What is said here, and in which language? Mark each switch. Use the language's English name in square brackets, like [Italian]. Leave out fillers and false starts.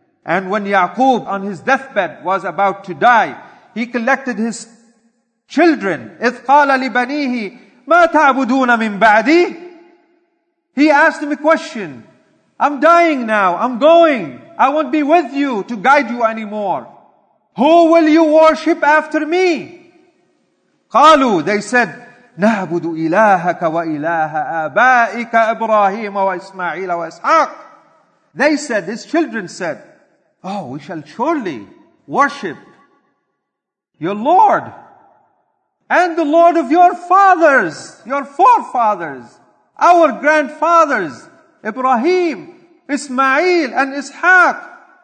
[English] And when Yaqub on his deathbed was about to die, he collected his children. [Arabic] إِذْ قَالَ لِبَنِيهِ مَا تَعْبُدُونَ مِنْ بَعْدِي. [English] He asked him a question. I'm dying now. I'm going. I won't be with you to guide you anymore. Who will you worship after me? [Arabic] قَالُوا. [English] They said, [Arabic] نَعْبُدُ إِلَٰهَكَ وَإِلَٰهَ آبَائِكَ إِبْرَاهِيمَ وَإِسْمَعِيلَ وَإِسْحَاقَ. [English] They said, his children said, oh, we shall surely worship your Lord and the Lord of your fathers, your forefathers, our grandfathers, Ibrahim, Ismail, and Ishaq.